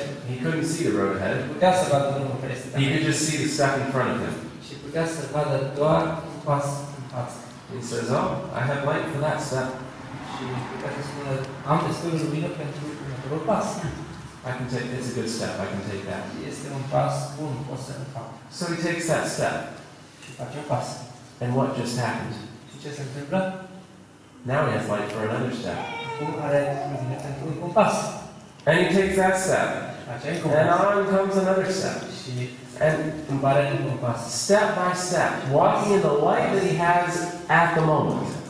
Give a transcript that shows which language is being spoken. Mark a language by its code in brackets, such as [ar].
[en] He couldn't see the road ahead. He could just see the step in front of him. [ro] Și putea să vadă doar un pas în față. [en] He says, oh, I have light for that step. [ro] Și putea să spună, am destul de lumină pentru următorul pas. [en] I can take, it's a good step, I can take that. [ro] Este un pas bun, pot să-l fac. [en] So he takes that step. [ro] Și face un pas. [en] And what just happened? [ro] Și ce se întâmplă? [en] Now he has light for another step. [ro] Acum are lumină pentru un pas. [en] And he takes that step. And on comes another step. And step by step, walking in the light that he has at the moment.